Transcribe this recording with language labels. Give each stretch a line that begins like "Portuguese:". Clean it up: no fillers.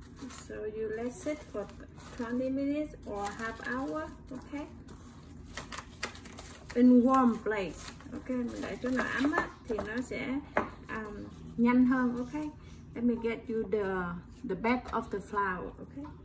English: So you let sit for 20 minutes or half hour, okay? In warm place, okay?
Vietnamese: Mình để cho nó ấm á, thì nó sẽ nhanh hơn, okay?
English: Let me get you the back of the flour, okay?